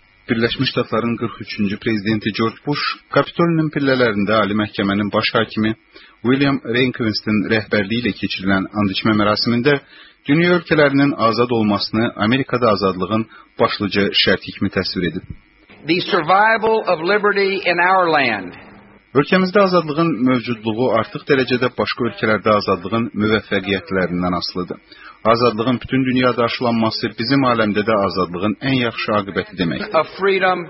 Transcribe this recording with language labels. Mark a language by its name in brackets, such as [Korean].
[Azerbaijani] Birləşmiş Ştatların 43-cü prezidenti George Bush, Kapitolinin pillələrində Ali Məhkəmənin baş hakimi William Rehnquist'in rəhbərliyi ilə keçirilən andiçmə mərasimində dünya ölkələrinin azad olmasını Amerikada azadlığın başlıca şərti kimi təsvir edib. [English] The survival of liberty in our land. [Azerbaijani] Ölkəmizdə azadlığın mövcudluğu artıq dərəcədə başqa ölkələrdə azadlığın müvəffəqiyyətlərindən asılıdır. Azadlığın bütün dünyada aşılanması bizim aləmdə də azadlığın ən yaxşı aqibəti deməkdir.